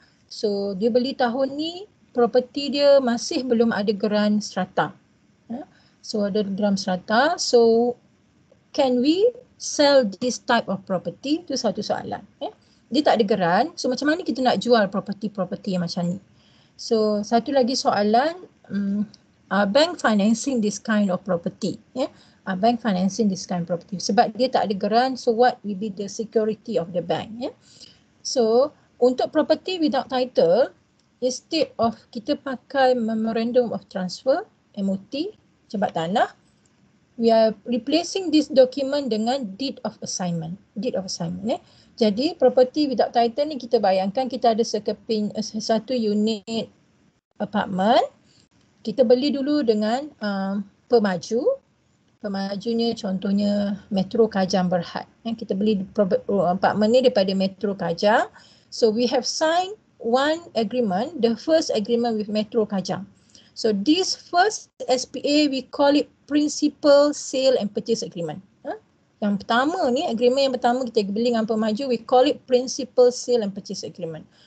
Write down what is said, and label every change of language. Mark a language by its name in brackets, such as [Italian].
[Malay] So, dia beli tahun ni, property dia masih belum ada geran strata. So, ada geran strata. [English] So, can we sell this type of property? [Malay] Itu satu soalan. Dia tak ada geran. So, macam mana kita nak jual property-property yang macam ni? So, satu lagi soalan. [English] Are bank financing this kind of property? Are bank financing this kind of property? [Malay] Sebab dia tak ada geran. [English] So, what will be the security of the bank? So, untuk property without title, instead of [Malay] kita pakai [English] memorandum of transfer, MOT, [Malay] jabat tanah, [English] we are replacing this document [Malay] dengan [English] deed of assignment. Deed of assignment. [Malay] Jadi, property without title ni kita bayangkan kita ada sekeping satu unit apartment. Kita beli dulu dengan pemaju. Pemajunya contohnya Metro Kajang Berhad. Kita beli apartment ni daripada Metro Kajang. [English] So, we have signed one agreement, the first agreement with Metro Kajang. So, this first SPA, we call it principal sale and purchase agreement. [Malay] Yang pertama ni, agreement yang pertama kita beli dengan pemaju, [English] we call it principal sale and purchase agreement.